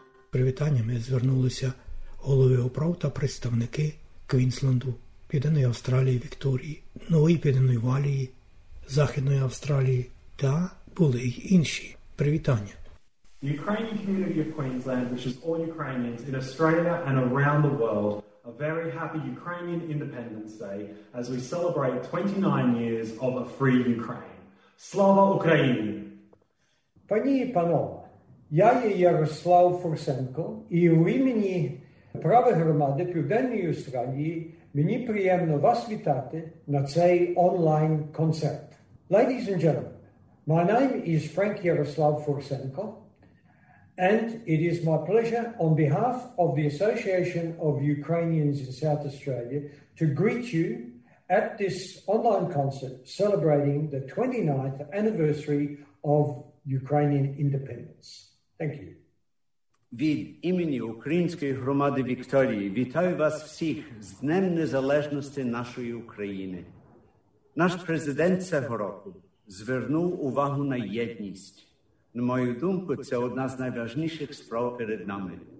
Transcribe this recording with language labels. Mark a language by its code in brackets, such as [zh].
[uk] Привітання, ми звернулися голови управ та представники Квінсленду, Південної Австралії, Вікторії, Нової Південної Валії, Західної Австралії та були й інші. Привітання. [en] The Ukrainian community of Queensland, which is all Ukrainians in Australia and around the world, a very happy Ukrainian Independence Day as we celebrate 29 years of a free Ukraine. [uk] Слава Україні! Пані і панове, я є Ярослав Фурсенко і в імені Праве громади Південної Австралії, мені приємно вас вітати на цей онлайн-концерт. [en] Ladies and gentlemen, my name is Frank Yaroslav Forsenko, and it is my pleasure on behalf of the Association of Ukrainians in South Australia to greet you at this online concert celebrating the 29th anniversary of Ukrainian independence. Thank you. [uk] Від імені Української громади Вікторії вітаю вас всіх з Днем Незалежності нашої України. Наш президент цього року звернув увагу на єдність. На мою думку, це одна з найважніших справ перед нами.